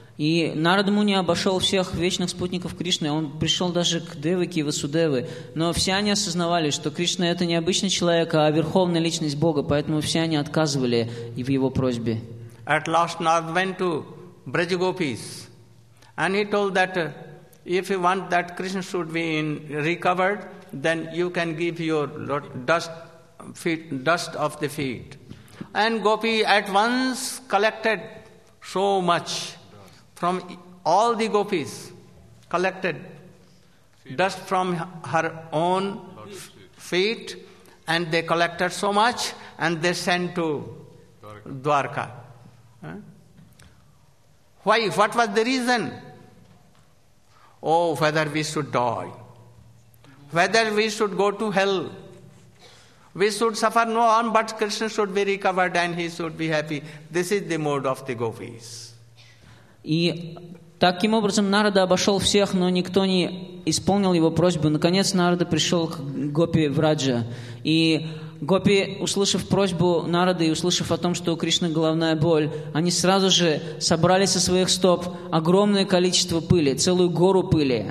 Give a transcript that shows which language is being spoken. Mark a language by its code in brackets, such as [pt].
[ru] И Нарад Муни обошел всех вечных спутников Кришны, он пришел даже к Деваке и Васудеве, но все они осознавали, что Кришна это не обычный человек, а верховная личность Бога, поэтому все они отказывали в его просьбе. [en] At last Nārad went to Braj Gopis, and he told that if you want that Krishna should be recovered, then you can give your dust of the feet. And Gopi at once collected so much from all the gopis, collected dust from her own feet, and they collected so much, and they sent to Dwarka. Why? What was the reason? Oh, whether we should die, whether we should go to hell, we should suffer no harm, but Krishna should be recovered and he should be happy. This is the mode of the gopis. [ru] И таким образом Нарада обошел всех, но никто не исполнил его просьбу. Наконец Нарада пришел к Гопи Враджа. И Гопи, услышав просьбу Нарады и услышав о том, что у Кришны головная боль, они сразу же собрали со своих стоп огромное количество пыли, целую гору пыли.